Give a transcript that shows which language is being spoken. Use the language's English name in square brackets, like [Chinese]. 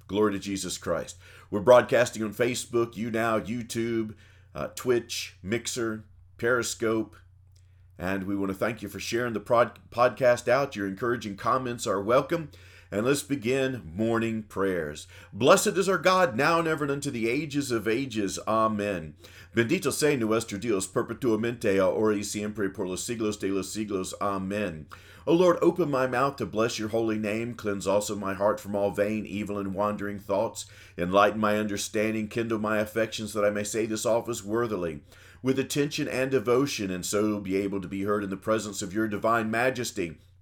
[English] Glory to Jesus Christ. We're broadcasting on Facebook, YouNow, YouTube, Twitch, Mixer, Periscope, and we want to thank you for sharing the podcast out. Your encouraging comments are welcome. And let's begin morning prayers. Blessed is our God, now and ever, and unto the ages of ages. Amen. [Spanish] Bendito sea nuestro Dios, perpetuamente, ahora y siempre, por los siglos. Amen. [English] O Lord, open my mouth to bless your holy name. Cleanse also my heart from all vain, evil, and wandering thoughts. Enlighten my understanding, kindle my affections, that I may say this office worthily, with attention and devotion, and so be able to be heard in the presence of your divine majesty.